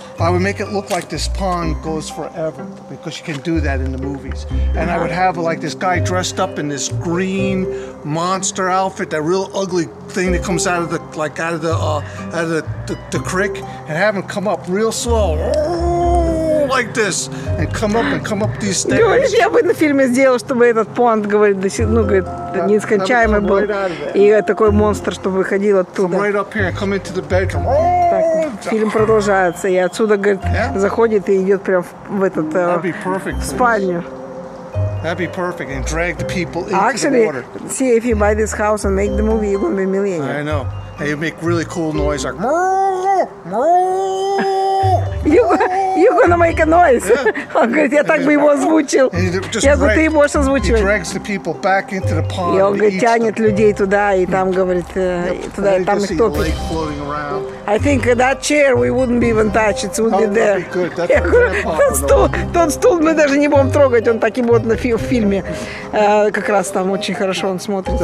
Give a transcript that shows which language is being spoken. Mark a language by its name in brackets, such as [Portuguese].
[English] I would make it look like this pond goes forever because you can do that in the movies. And I would have like this guy dressed up in this green monster outfit, that real ugly thing that comes out of the like out of the creek, and have him come up real slow. Like this, and come up these stairs. [Russian] Говорит, я бы на фильме сделал, чтобы этот понт, говорит, нескончаемый был, [English] right, [Russian] и такой монстр, чтобы выходил оттуда. [English] Right up here, come into the bedroom. [Russian] Так, фильм продолжается, и отсюда, говорит, [English] yeah? [Russian] заходит и идет прям в этот [English] perfect, [Russian] спальню. [English] That'd be perfect, and drag the people into actually, the water. Actually, see if you buy this house and make the movie, you're gonna be a millionaire. I know. And you make really cool noise, like. You're gonna make a noise. Yeah. [Russian] Он говорит, я так бы его озвучил. Я говорю, ты можешь озвучивать. [English] He drags the people back into the pond. [Russian] И он говорит, тянет людей туда и там говорит, туда и там их топит. [English] I think that chair we wouldn't even touch. It would be there. [Russian] Я говорю, тот стул мы даже не будем трогать. Он так и будет в фильме. Как раз там очень хорошо он смотрится.